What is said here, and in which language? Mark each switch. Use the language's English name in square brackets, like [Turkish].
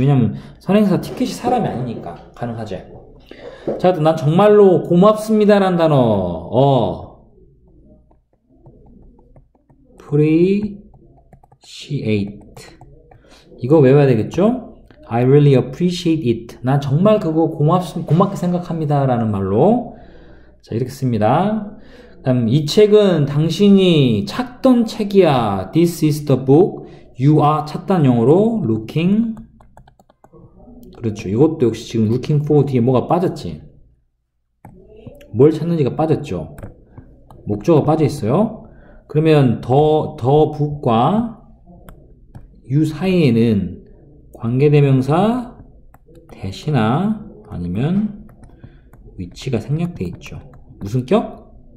[Korean] 왜냐면, 선행사 티켓이 사람이 아니니까, 가능하지. 자, 난 정말로 고맙습니다란 단어, appreciate. 이거 외워야 되겠죠? [English] I really appreciate it. [Korean] 난 정말 그거 고맙게 생각합니다라는 말로. 자, 이렇게 씁니다. 다음, 이 책은 당신이 찾던 책이야. [English] This is the book you are [Korean] 찾단 영어로 [English] looking. [Korean] 그렇죠. 이것도 역시 지금 [English] looking for [Korean] 뒤에 뭐가 빠졌지? 뭘 찾는지가 빠졌죠? 목적어가 빠져 있어요. 그러면 더 book과 you 사이에는 관계대명사 대시나 아니면 위치가 생략돼 있죠. 무슨 격?